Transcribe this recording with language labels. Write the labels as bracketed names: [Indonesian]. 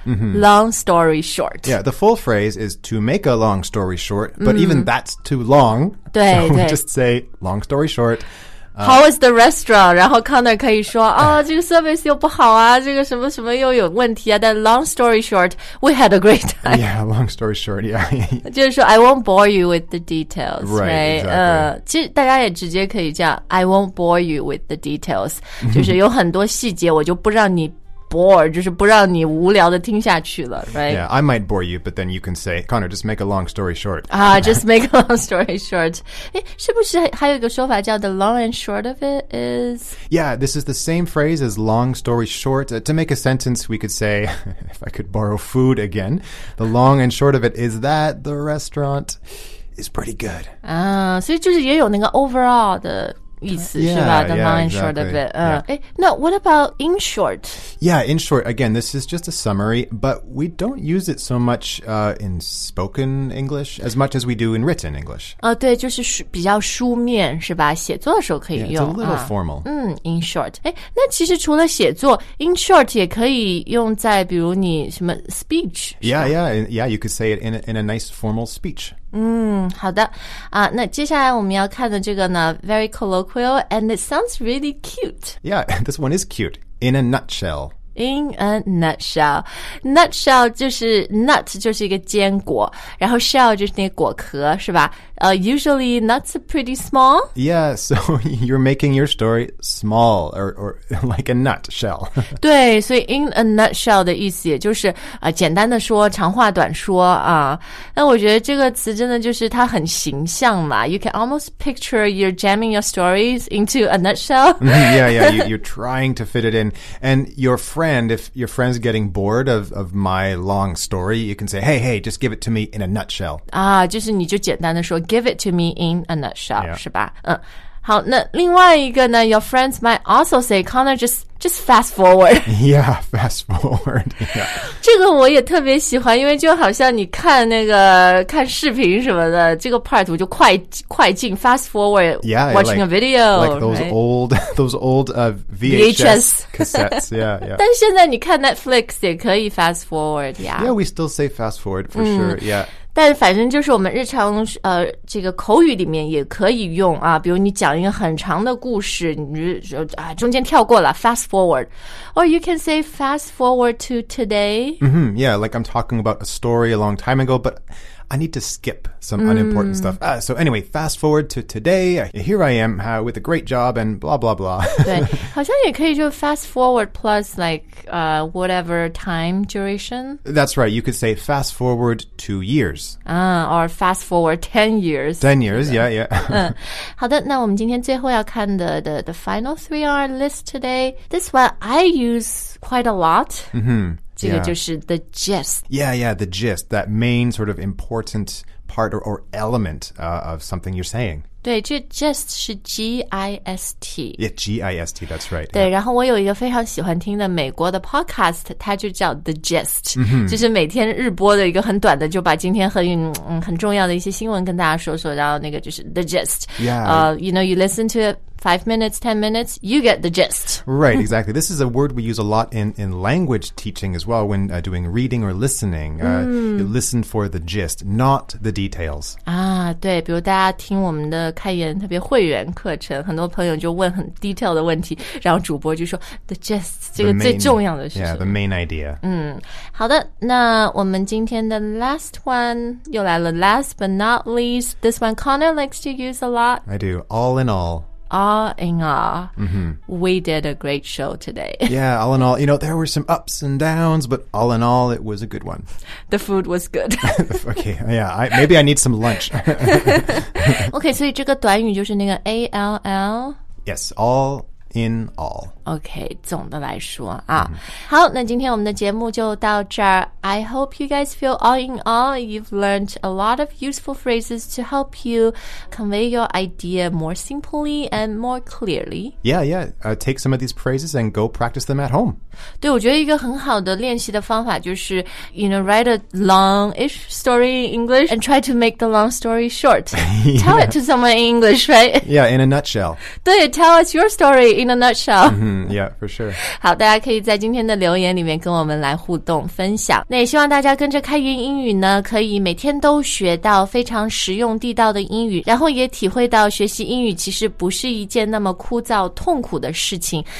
[English] Long story short. Yeah, the full phrase is to make a long story short, but even that's too long. [Chinese] 对对。 [English] So we just say long story short. How was the restaurant? [Chinese] 然后 Connor 可以说啊，这个 service 又不好啊，这个什么什么又有问题啊。但 [English] long story short, we had a great time. Yeah, long story short, yeah. [Chinese] 就是说 [English] I won't bore you with the details, right? [Chinese] 其实大家也直接可以这样 [English] I won't bore you with the details. [Chinese] 就是有很多细节我就不让你 bore, 就是不让你无聊的听下去了 [English] right? Yeah, I might bore you, but then you can say, Connor, just make a long story short. just make a long story short. [Chinese] 是不是还有一个说法叫 [English] the long and short of it is? Yeah, this is the same phrase as long story short. To make a sentence, we could say, if I could borrow food again, the long and short of it is that the restaurant is pretty good. [Chinese] 所以就是也有那个 overall 的意思 yeah, 是吧 the [English] yeah, non short、 exactly. of it、那 what about in short yeah in short again this is just a summary but we don't use it so much、in spoken English as much as we do in written English、 [Chinese] 对就是比较书面是吧写作的时候可以用 [English] yeah, it's a little formal、 [Chinese] in short 那其实除了写作 in short 也可以用在比如你什么 speech [English] yeah yeah yeah you could say it in a nice formal speech [Chinese] 好的、那接下来我们要看的这个呢 [English] very colloquial and it sounds really cute. Yeah, this one is cute. In a nutshell. In a nutshell. [Chinese] Nutshell 就是 nut 就是一个坚果然后 shell 就是那个果壳是吧、 [English] usually nuts are pretty small. Yeah, so you're making your story small or like a nutshell. [Chinese] 对所以 in a nutshell 的意思也就是、简单的说长话短说、那我觉得这个词真的就是它很形象嘛 [English] You can almost picture you're jamming your stories into a nutshell. yeah, yeah, you're trying to fit it in. And your friend, if your friend's getting bored of my long story, you can say, hey, just give it to me in a nutshell. [Chinese] 就是你就简单的说 [English] give it to me in a nutshell,、 yeah. [Chinese] 是吧、好那另外一个呢 [English] your friends might also say, Connor, just fast forward. Yeah, fast forward. Yeah. [Chinese] 这个我也特别喜欢因为就好像你看那个看视频什么的这个 part 我就快进 fast forward [English] yeah, watching like, a video. Like those、 right? old VHS cassettes. yeah, yeah. [Chinese] 但现在你看 Netflix 也可以 fast forward. [English] Yeah, yeah we still say fast forward for、sure. Yeah. [Chinese] 但反正就是我们日常这个口语里面也可以用啊比如你讲一个很长的故事你就中间跳过了 fast forward. [English] Or you can say fast forward to today.、 Mm-hmm, yeah, like I'm talking about a story a long time ago, but I need to skip some unimportant、stuff.、So anyway, fast forward to today. Here I am with a great job and blah, blah, blah. [Chinese] 对好像也可以就 [English] fast forward plus like、whatever time duration. That's right. You could say fast forward 2 years.、 or fast forward 10 years. 10 years, yeah, yeah. 好的那我们今天最后要看 the final three on our list today. This one I use quite a lot. Mm-hmm. [Chinese] 这个就是 the gist. [English] Yeah, yeah, the gist, that main sort of important part or element、of something you're saying. [Chinese] 对这 gist 是 G-I-S-T. [English] Yeah, G-I-S-T, that's right. [Chinese] 对、 [English] yeah. [Chinese] 然后我有一个非常喜欢听的美国的 podcast, 它就叫 the gist,、 [English] mm-hmm. [Chinese] 就是每天日播的一个很短的就把今天很重要的一些新闻跟大家说说然后那个就是 the gist. [English] Yeah.、 You know, you listen to it,5 minutes, 10 minutes, you get the gist. Right, exactly. This is a word we use a lot in language teaching as well when、doing reading or listening.、You listen for the gist, not the details. [Chinese] 对，比如大家听我们的开言特别会员课程，很多朋友就问很 detail 的问题，然后主播就说 the gist, 这个最重要的是什么 [English] Yeah, the main idea.、 [Chinese] 好的，那我们今天的 last one 又来了 [English] last but not least. This one Connor likes to use a lot. I do, all in all. All in all,、 mm-hmm. we did a great show today. Yeah, all in all, you know, there were some ups and downs, but all in all, it was a good one. The food was good. okay, yeah, maybe I need some lunch. [Chinese] okay, 所以这个短语就是那个 A-L-L? [English] Yes, all in all. Okay, [Chinese] 总的来说、好那今天我们的节目就到这儿 [English] I hope you guys feel all in all you've learned a lot of useful phrases to help you convey your idea more simply and more clearly yeah yeah、take some of these phrases and go practice them at home [Chinese] 对我觉得一个很好的练习的方法就是 [English] you know write a long-ish story in English and try to make the long story short 、yeah. tell it to someone in English right yeah in a nutshell 对 tell us your story in a nutshell、 mm-hmm. Yeah, for sure. [Chinese] 好，大家可以在今天的留言里面跟我们来互动分享。那也希望大家跟着开云英语呢，可以每天都学到非常实用地道的英语，然后也体会到学习英语其实不是一件那么枯燥痛苦的事情。